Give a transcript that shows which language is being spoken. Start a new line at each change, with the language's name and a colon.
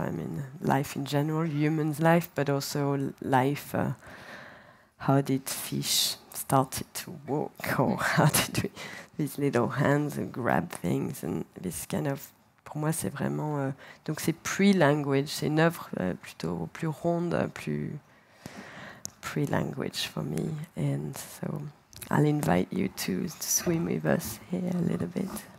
English: I mean life in general, human's life, but also life. How did fish started to walk, or how did we, these little hands grab things and this kind of.
French: Pour moi, c'est vraiment... donc, c'est pre-language. C'est une œuvre plutôt plus ronde, plus
English: pre-language for me. And so, I'll invite you to swim with us here a little bit.